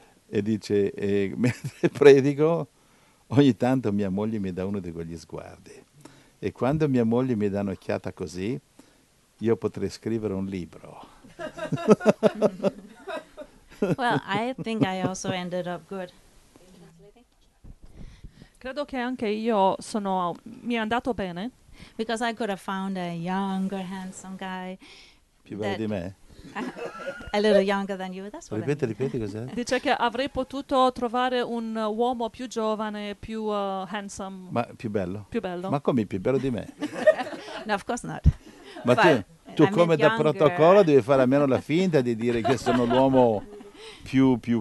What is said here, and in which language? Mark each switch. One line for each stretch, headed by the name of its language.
Italian: E dice, mentre predico, ogni tanto mia moglie mi dà uno di quegli sguardi. E quando mia moglie mi dà un'occhiata così, io potrei scrivere un libro.
English: Well, I think I also ended up good.
Italian: Credo che anche io sono... mi è andato bene.
English: Because I could have found a younger, handsome guy.
Italian: Più bello di me.
English: A little younger than you. That's what
Italian: ripeti,
English: I mean.
Italian: Ripeti cos'è? Dice che avrei potuto trovare un uomo più giovane, più handsome. Ma più bello? Più bello. Ma come più bello di me?
English: No, of course not.
Italian: Ma tu come da protocollo devi fare almeno la finta di dire che sono l'uomo più.